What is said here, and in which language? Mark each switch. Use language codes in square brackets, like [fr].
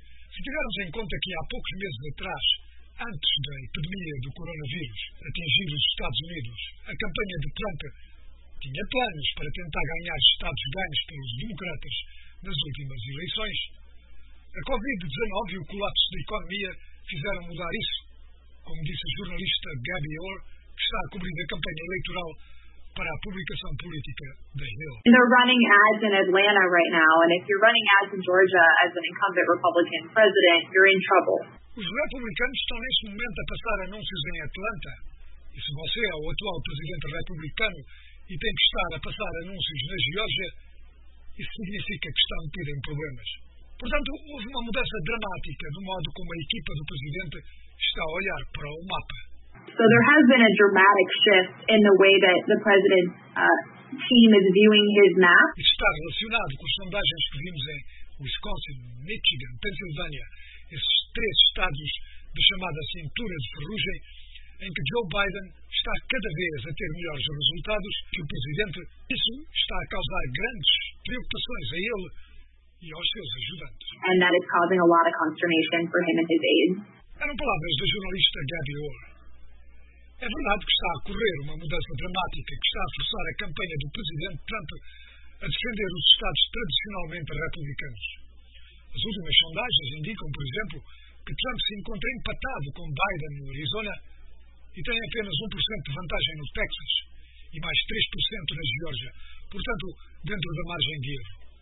[pt] Se tivermos em conta que há poucos meses atrás, antes da epidemia do coronavírus atingir os Estados Unidos, a campanha de Trump tinha planos para tentar ganhar estados ganhos pelos democratas nas últimas eleições, a Covid-19 e o colapso da economia fizeram mudar isso, como disse a jornalista Gabby Orr, que está a cobrir a campanha eleitoral para a publicação política da Hill. [en] They're running ads in Atlanta right now, and if you're running ads in Georgia as an incumbent Republican president, you're in trouble. [pt] Os republicanos estão neste momento a passar anúncios em Atlanta. E se você é o atual presidente republicano e tem que estar a passar anúncios na Geórgia, isso significa que estão a ter problemas. Portanto, houve uma mudança dramática no modo como a equipa do presidente está a olhar para o mapa. [en] So there has been a dramatic shift in the way that the president team is viewing his map. [pt] Isso está relacionado com as sondagens que vimos em Wisconsin, Michigan, Pensilvânia, esses três estados da chamada cintura de ferrugem, em que Joe Biden está cada vez a ter melhores resultados que o presidente. Isso está a causar grandes preocupações a ele e aos seus ajudantes. [en] And that is causing a lot of consternation for him and his aides. [pt] Eram palavras da jornalista Gabby Orr. É verdade que está a ocorrer uma mudança dramática que está a forçar a campanha do presidente Trump a defender os estados tradicionalmente republicanos. As últimas sondagens indicam, por exemplo, que Trump se encontra empatado com Biden no Arizona e tem apenas 1% de vantagem no Texas e mais 3% na Geórgia, portanto, dentro da margem de erro.